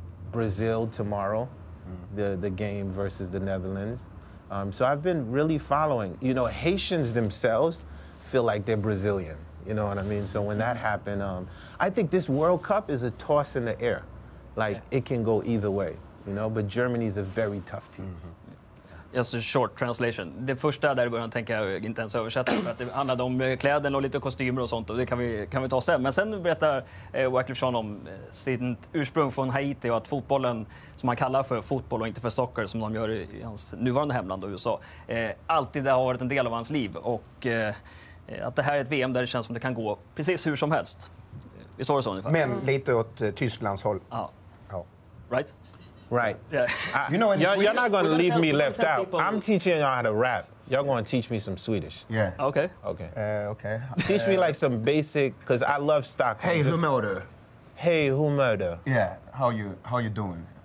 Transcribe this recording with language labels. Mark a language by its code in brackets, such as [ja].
[en] Brazil tomorrow, the game versus the Netherlands. So I've been really following. You know, Haitians themselves feel like they're Brazilian. You know what I mean? So when that happened, I think this World Cup is a toss in the air. Like, it can go either way, you know? But Germany's a very tough team. Just a short translation. [sv] Det första där började jag tänka, inte ens översätta, för att det handlade om kläder och lite kostymer och sånt, och det kan vi ta sen. Men sen berättar Wyclef Sean om sitt ursprung från Haiti och att fotbollen, som man kallar för fotboll och inte för soccer, som de gör i hans nuvarande hemland USA, alltid har varit en del av hans liv. Och att det här är ett VM där det känns som det kan gå precis hur som helst. Vi står det så ungefär? Men lite åt Tysklands håll. Ja. [en] Right? Right. Yeah. You know, you're not going to leave me left out. I'm teaching y'all how to rap. Y'all going to teach me some Swedish. Yeah. Okay. Okay. Okay. Teach me like some basic, because I love Stockholm. Hey, who murder? Hey, who murder? Yeah. How you doing?